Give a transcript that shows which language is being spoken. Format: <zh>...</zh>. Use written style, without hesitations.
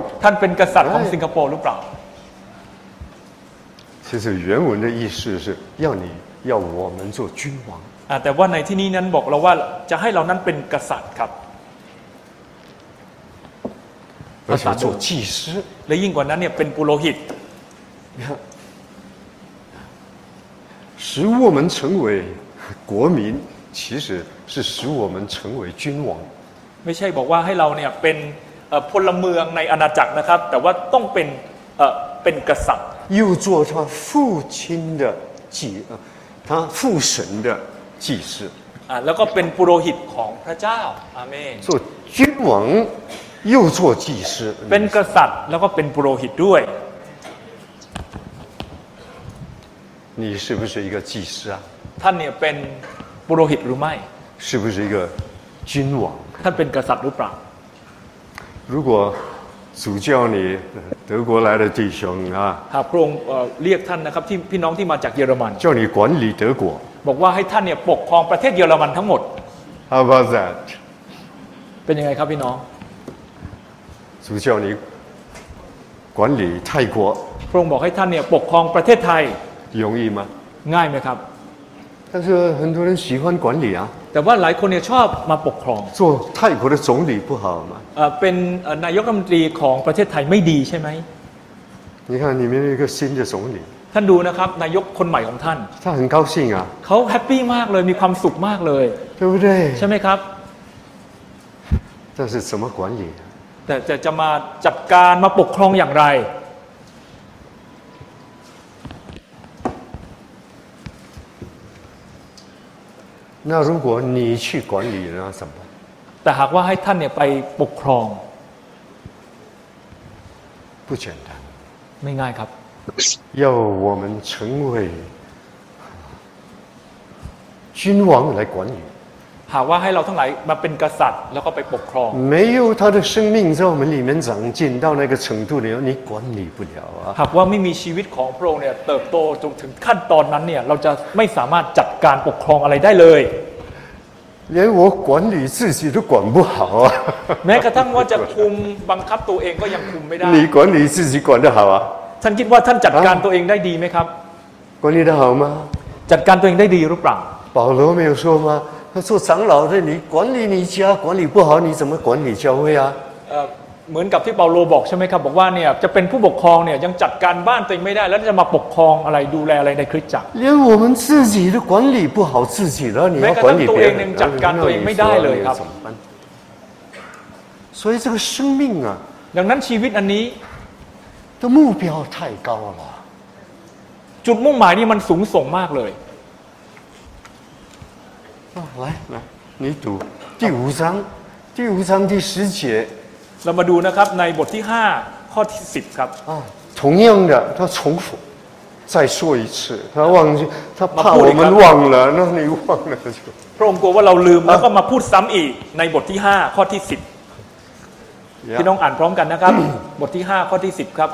<th>ท่านเป็นกษัตริย์ของสิงคโปร์หรือเปล่า</th> <zh>其实原文的意思是要你要我们做君王</zh> <th>แต่ว่าในที่นี้นั้นบอกเราว่าจะให้เรานั้นเป็นกษัตริย์ครับ และจะ</th> <zh>做祭司</zh> <th>และยิ่งกว่านั้นเนี่ยเป็นปุโรหิต</th> <zh>使我们成为国民其实是使我们成为君王</zh> <th>ไม่ใช่บอกว่าให้เราเนี่ยเป็นพลเมืองในอาณาจักรนะครับแต่ว่าต้องเป็นเป็นกษัตริย์</th> <zh>又做他父亲的祭他父神的祭司</zh> <th>แล้วก็เป็นปุโรหิตของพระเจ้าอาเมน</th> <zh>做君王又做祭司</zh> <th>เป็นกษัตริย์แล้วก็เป็นปุโรหิตด้วย</th> <zh>你是不是一个祭司啊</zh> <th>ท่านเนี่ยเป็นปุโรหิตหรือไม่</th> <zh>是不是一个君王</zh> <th>ท่านเป็นกษัตริย์หรือเปล่า</th> <zh>如果主叫你德国来的弟兄啊</zh> <th>หากพระองค์เรียกท่านนะครับที่พี่น้องที่มาจากเยอรมัน</th> <zh>叫你管理德国</zh> <th>บอกว่าให้ท่านเนี่ยปกครองประเทศเยอรมันทั้งหมด</th> <en>How about that</en> <th>เป็นยังไงครับพี่น้อง</th> <zh>主叫你管理泰国</zh> <th>พระองค์บอกให้ท่านเนี่ยปกครองประเทศไทย</th> <zh>容易吗</zh> <th>ง่ายไหมครับ</th> <zh>但是很多人喜欢管理啊</zh> <th>แต่ว่าหลายคนเนี่ยชอบมาปกครอง</th> <zh>做泰国的总理不好吗</zh> <th>เป็นนายกรัฐมนตรีของประเทศไทยไม่ดีใช่ไหม</th> <zh>你看你们一个新的总理</zh> <th>ท่านดูนะครับนายกคนใหม่ของท่าน ท่าน</th> <zh>很高兴啊</zh> <th>เขาแฮปปี้มากเลยมีความสุขมากเลย</th> <zh>对不对</zh> <th>ใช่ไหมครับ</th> <zh>但是怎么管理</zh> <th>แต่จะมาจัดการมาปกครองอย่างไร</th> <zh>那如果你去管理那怎么</zh> <th>แต่หากว่าให้ท่านเนี่ยไปปกครอง</th> <zh>不简单</zh> <th>ไม่ง่ายครับ</th> <zh>要我们成为君王来管理</zh> <th>หากว่าให้เราทั้งหลายมาเป็นกษัตริย์แล้วก็ไปปกครอง</th> <zh>没有他的生命在我们里面长进到那个程度了，你管理不了啊。</zh> <th>หากว่าไม่มีชีวิตของพระองค์เนี่ยเติบโตจนถึงขั้นตอนนั้นเนี่ยเราจะไม่สามารถจัดการปกครองอะไรได้เลย</th> <zh>连我管理自己都管不好啊。</zh> <th>แม้กระทั่งว่าจะคุมบังคับตัวเองก็ยังคุมไม่ได้</th> <zh>你管理自己管得好啊？</zh> <th>ท่านคิดว่าท่านจัดการตัวเองได้ดีไหมครับ</th> <zh>管理得好吗？</zh> <th>จัดการตัวเองได้ดีหรือเปล่า？</th> <zh>保罗没有说吗？他做长老的，你管理你家管理不好，你怎么管理教会啊？</zh> <th>เหมือนกับที่เปาโลบอกใช่ไหมครับบอกว่าเนี่ยจะเป็นผู้ปกครองเนี่ยยังจัดการบ้านตัวเองไม่ได้แล้วจะมาปกครองอะไรดูแลอะไรในคริสตจักร</th> <zh>连我们自己都管理不好自己了，你要管理别人，</zh> <th>จัดการตัวเองไม่ได้เลยครับ</th> <zh>所以这个生命啊，</zh> <th>ดังนั้นชีวิตอันนี้</th> <zh>的目标太高了，</zh> <th>จุดมุ่งหมายนี่มันสูงส่งมากเลย</th> <zh>来来，你读第五章，第五章第十节。那么读呢？</zh> <th>ครับในบทที่5ข้อที่10ครับ</th> <zh>同样的，他重复。再说一次，他忘记，他怕我们忘了，那你忘了就。</zh> <th>พระองค์กลัวว่าเราลืมแล้วก็มาพูดซ้ำอีกในบทที่5ข้อที่10พี่น้องอ่านพร้อมกันนะครับบทที่5ข้อที่10ครับ</th>